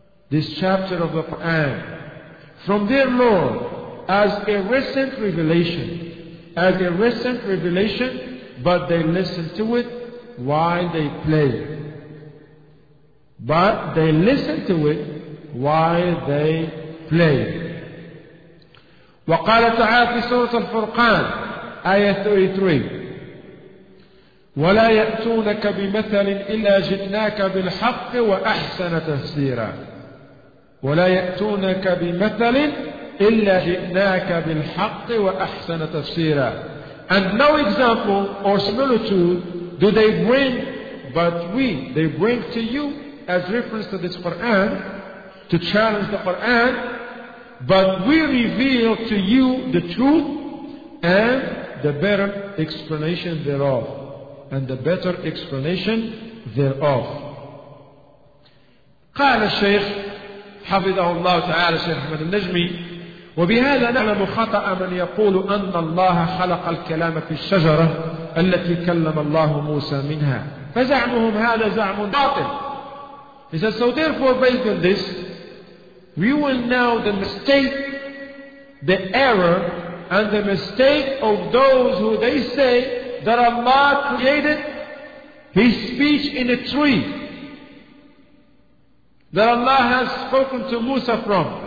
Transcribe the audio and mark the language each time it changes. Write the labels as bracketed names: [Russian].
[English] This chapter of the Quran, from their Lord, as a recent revelation, as a recent revelation, but they listen to it while they play. But they listen to it while they play. [Arabic] وقال تعالى في سورة الفرقان آية 33 ولا يأتونك بمثل إلا جئناك بالحق وأحسن تفسيرا. ولا يأتونك بمثل إلا جئناك بالحق وأحسن تفسيرا. [English] And no example or similitude do they bring, but they bring to you as reference to this Quran, to challenge the Quran, but we reveal to you the truth and the better explanation thereof. And the better explanation thereof. [Arabic] قال الشيخ حفظه الله تعالى الشيخ أحمد النجمي وبهذا نعلم خطأ من يقول أن الله خلق الكلام في الشجرة التي كلم الله موسى منها فزعمهم هذا زعم باطل. [English] He says, so therefore based on this, we will know the mistake, the error, and the mistake of those who they say that Allah created His speech in a tree that Allah has spoken to Musa from.